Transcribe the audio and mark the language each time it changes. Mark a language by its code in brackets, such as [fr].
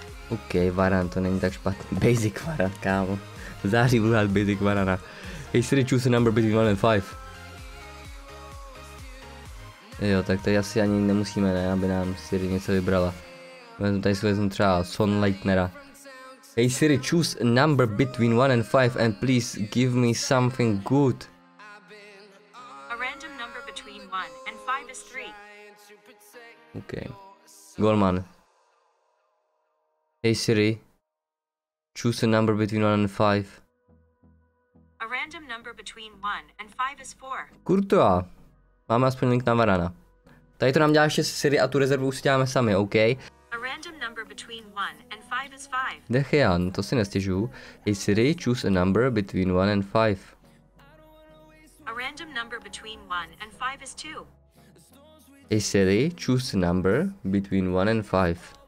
[cs] OK, Varan, to není tak špatný. Basic Varan, kámo. V září budu hrát Basic Varana. [en] Hey Siri, choose a number between 1 and 5. [cs] Jo, tak tady asi ani nemusíme, ne, aby nám Siri něco vybrala. Tady si vezmu třeba Son Lightnera. [en] Hey Siri, choose a number between 1 and 5 and please give me something good. A random number between 1 and 5 is 3. [cs] OK. Golman. [en] Hey Siri, choose a number between 1 and 5. A random number between 1 and 5 is 4. [cs] Kurtua, máme aspoň link na Varana. Tady to nám dělá ještě Siri a tu rezervu si děláme sami, OK? [en] A random number between 1 and 5 is 5. [cs] Dechejan, to si nestěžu. [en] Hey Siri, choose a number between 1 and 5. A random number between 1 and 5 is 2. Hey Siri, choose a number between 1 and 5.